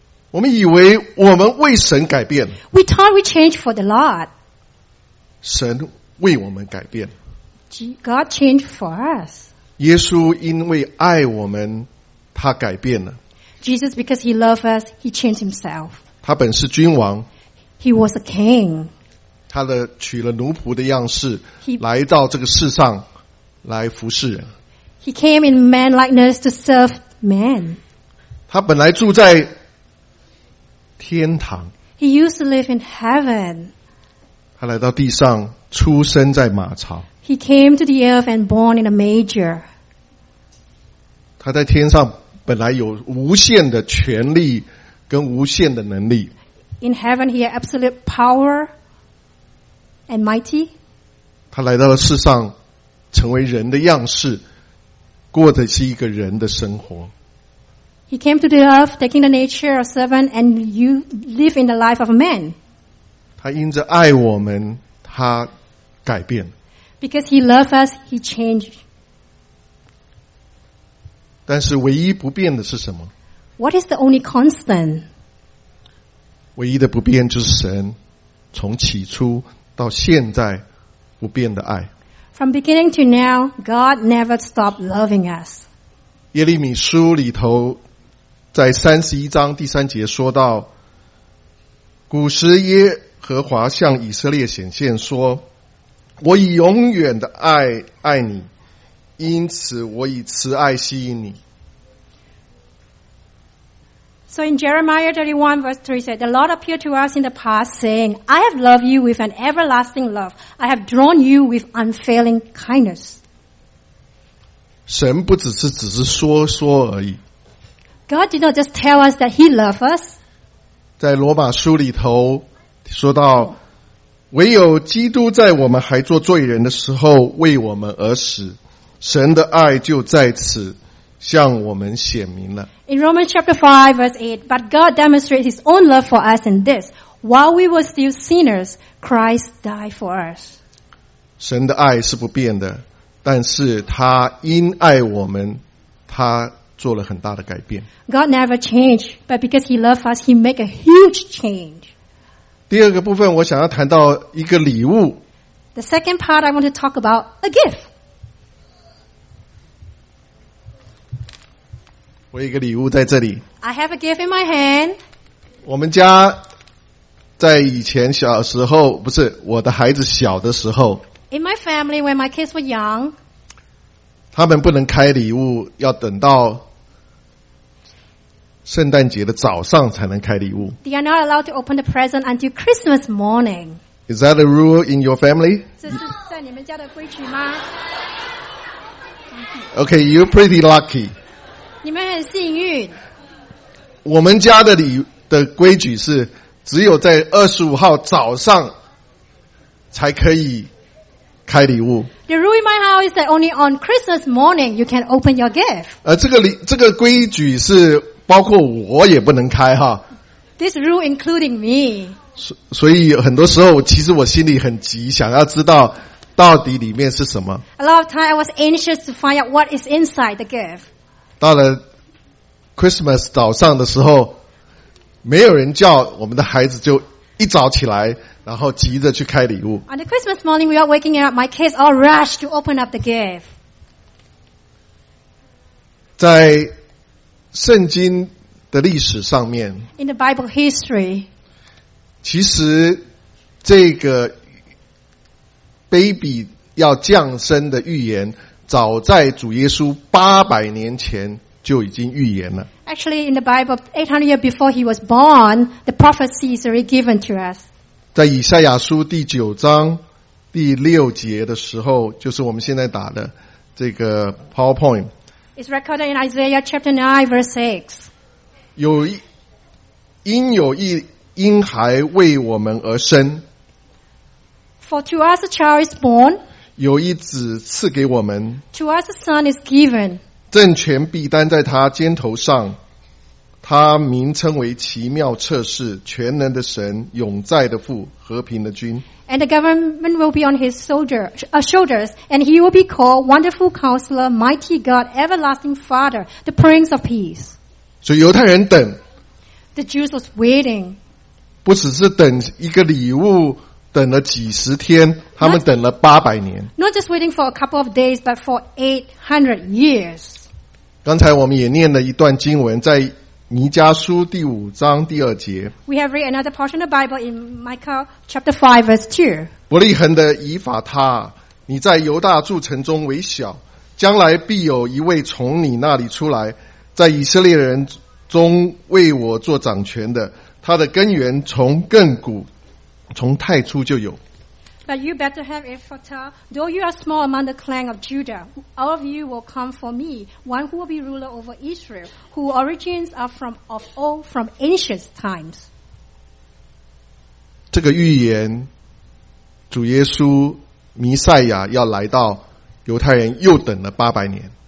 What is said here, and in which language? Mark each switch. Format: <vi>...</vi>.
<zh>我们以为我们为神改变。</zh> <en>We thought we changed for the Lord.</en> <zh>神为我们改变。</zh> <en>God changed for us.</en> <zh>耶稣因为爱我们，他改变了。</zh> <en>Jesus, because he loved us, he changed himself.</en> <zh>他本是君王。</zh> <en>He was a king.</en> <zh>他的取了奴仆的样式，来到这个世上来服侍人。</zh> <en>He came in man likeness to serve man.</en> <zh>他本来住在天堂。</zh> <en>He used to live in heaven.</en> <zh>他来到地上，出生在马槽。</zh> <en>He came to the earth and born in a manger.</en> <zh>他在天上本来有无限的权力跟无限的能力。</zh> <en>In heaven, he had absolute power and mighty.</en> <zh>他来到了世上，成为人的样式，过的是一个人的生活。</zh> <en>He came to the earth, taking the nature of servant, and you live in the life of a man.</en> <zh>他因着爱我们，他改变。</zh> <en>Because he loved us, he changed.</en> <zh>但是唯一不变的是什么？</zh> <en>What is the only constant?</en> <zh>唯一的不变就是神，从起初到现在不变的爱。</zh> <en>From beginning to now, God never stopped loving us.</en> <zh>耶利米书里头在31章第3节说到，古时耶和华向以色列显现说，我以永远的爱爱你，因此我以慈爱吸引你。</zh> <en>So in Jeremiah 31 verse 3 said, The Lord appeared to us in the past saying, I have loved you with an everlasting love. I have drawn you with unfailing kindness.</en> <zh>神不只是说说而已。</zh> <en>God did not just tell us that he loved us.</en> <zh>在罗马书里头说到，唯有基督在我们还做罪人的时候为我们而死，神的爱就在此向我们显明了。</zh> <en>In Romans chapter 5 verse 8, But God demonstrated his own love for us in this, while we were still sinners, Christ died for us.</en> <zh>神的爱是不变的，但是他因爱我们，他做了很大的改变。</zh> <en>God never changed, but because he loved us, he made a huge change.</en> <zh>第二个部分我想要谈到一个礼物。</zh> <en>The second part I want to talk about, a gift.</en> <zh>我一个礼物在这里。</zh> <en>I have a gift in my hand.</en> <zh>我们家在以前小时候，不是我的孩子小的时候。</zh> <en>In my family, when my kids were young,</en> <zh>他们不能开礼物，要等到圣诞节的早上才能开礼物。</zh> <en>They are not allowed to open the present until Christmas morning. Is that a rule in your family?</en> <zh>这是在你们家的规矩吗</zh> <en>？Okay, you're pretty lucky.</en> <zh>你们很幸运。我们家的规矩是，只有在25号早上才可以开礼物。</zh> <en>The rule in my house is that only on Christmas morning you can open your gift.</en> <zh>这个规矩是包括我也不能开哈。</zh> <en>This rule including me.</en> <zh>所以很多时候，其实我心里很急，想要知道到底里面是什么。</zh> <en>A lot of time I was anxious to find out what is inside the gift.</en> <zh>到了 Christmas 早上的时候，没有人叫我们的孩子，就一早起来，然后急着去开礼物。</zh> <en>On the Christmas morning, without waking up, my kids all rushed to open up the gift.</en> <zh>在圣经的历史上面</zh> <en>，In the Bible history,</en> <zh>其实这个 baby 要降生的预言。早在主耶稣800年前就已经预言了。</zh> <en>Actually, in the Bible, 800 years before he was born, the prophecy is already given to us.</en> <zh>在以赛亚书第9章第6节的时候，就是我们现在打的这个 PowerPoint.</zh> <en>It's recorded in Isaiah chapter 9, verse 6.</en> <zh>因有一婴孩为我们而生。</zh> <en>For to us a child is born.</en> <zh>有一子赐给我们</zh> <en>To us a son is given</en> <zh>政权必担在他肩头上他名称为奇妙测试全能的神永在的父和平的君</zh> <en>And the government will be on his shoulders And he will be called Wonderful Counselor Mighty God Everlasting Father The Prince of Peace</en> <zh>所以犹太人等</zh> <en>The Jews was waiting</en> <zh>不只是等一个礼物等了几十天他们等了800年</zh> <en>Not just waiting for a couple of days but for 800 years</en> <zh>刚才我们也念了一段经文在弥迦书第五章第二节</zh> <en>We have read another portion of the Bible in Micah chapter 5 verse 2</en> <zh>伯利恒的以法他你在犹大住城中为小将来必有一位从你那里出来在以色列人中为我做掌权的，他的根源从亘古，从太初就有。</zh> <en>But you Bethlehem Ephratah, though you are small among the clan of Judah, all of you will come for me, one who will be ruler over Israel, whose origins are from of old, from ancient times.</en> <zh>这个预言，主耶稣弥赛亚要来到犹太人又等了八百年。</zh>